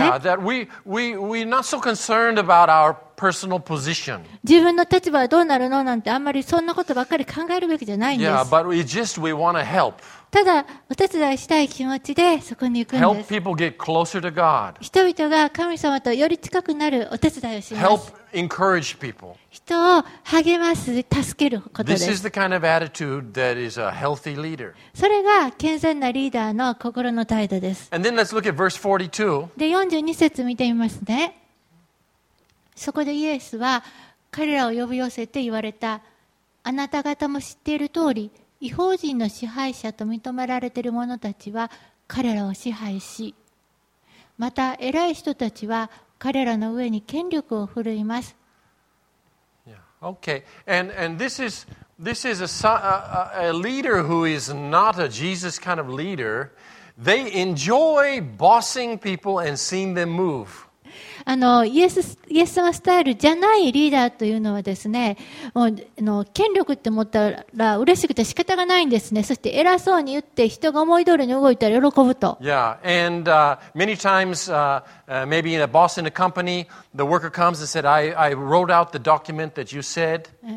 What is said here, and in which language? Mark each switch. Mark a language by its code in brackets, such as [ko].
[en] Yeah, that we're not so concerned about our personal position. [ja] 自分の立場はどうなるのなんてあんまりそんなことばっかり考えるべきじゃないんです。 [en] Yeah, but we just we want to help. [ja] ただお手伝いしたい気持ちでそこに行くんです。 [en] Help people get closer to God. [ja] 人々が神様とより近くなるお手伝いをします。 [en] Help encourage people. [ja] 人を励ます、助けることです。 [en] This is the kind of attitude that is a healthy leader. [ja] それが健全なリーダーの心の態度です。 [en] And then let's look at verse 42. [ja] で42節見てみますね。そこでイエスは彼らを呼び寄せて言われた。あなた方も知っている通り、異邦人の支配者と認められている者たちは彼らを支配し、また偉い人たちは彼らの上に権力を振るいます。 [en] Yeah. Okay. And this is a leader who is not a Jesus kind of leader. They enjoy bossing people and seeing them move. [ja] イエス様スタイルじゃないリーダーというのはですね、もう権力って持ったら嬉しくて仕方がないんですね。そして偉そうに言って人が思い通りに動いたら喜ぶと。 [en] Yeah, and many times, maybe in a boss in a company, the worker comes and said, I wrote out the document that you said.